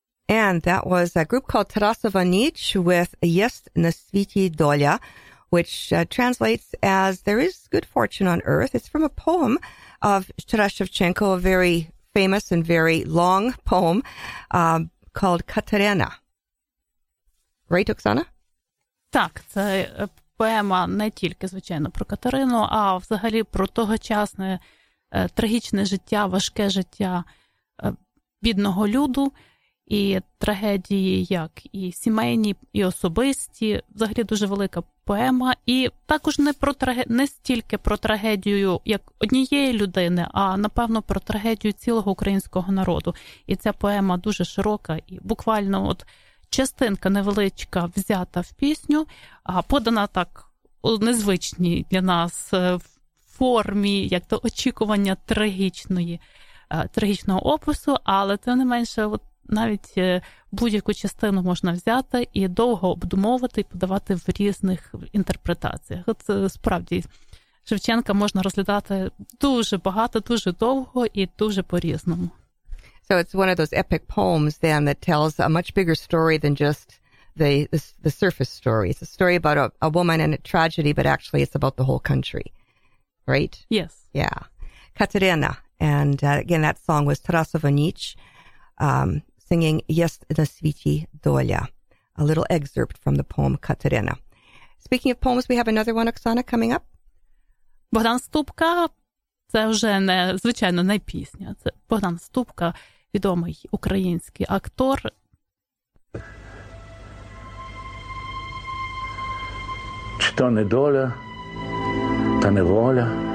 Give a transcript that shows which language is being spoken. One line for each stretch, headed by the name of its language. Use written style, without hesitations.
English: And that was a group called Tarasova Nich with Yest Nasviti Dolya, which translates as There is Good Fortune on Earth. It's from a poem of Taras Shevchenko, a very famous and very long poem called Katerina. Right, Oksana?
Ukrainian: Так, це поема не тільки, звичайно, про Катерину, а взагалі про тогочасне трагічне життя, важке життя бідного люду, і трагедії як і сімейні, і особисті, взагалі дуже велика поема, і також не про не стільки про трагедію як однієї людини, а напевно про трагедію цілого українського народу. І ця поема дуже широка, і буквально от частинка невеличка взята в пісню, а подана так у незвичній для нас формі, як то очікування трагічного опису, але тим не менше, от навіть будь-яку частину можна взяти і довго обдумовувати і подавати в різних інтерпретаціях. От справді Шевченка можна розглядати дуже багато, дуже довго і дуже по-різному.
English: So it's one of those epic poems then that tells a much bigger story than just the surface story. It's a story about a woman and a tragedy, but actually it's about the whole country. Right? Yes. Yeah. Katerina. And again, that song was Tarasova Nich singing Yes, na sviti dolya, a little excerpt from the poem Katerina. Speaking of poems, we have another one, Oksana, coming up.
Ukrainian: Богдан Ступка – це вже не, звичайно, не пісня. Це Богдан Ступка, відомий український актор. Чи то не доля, та не воля?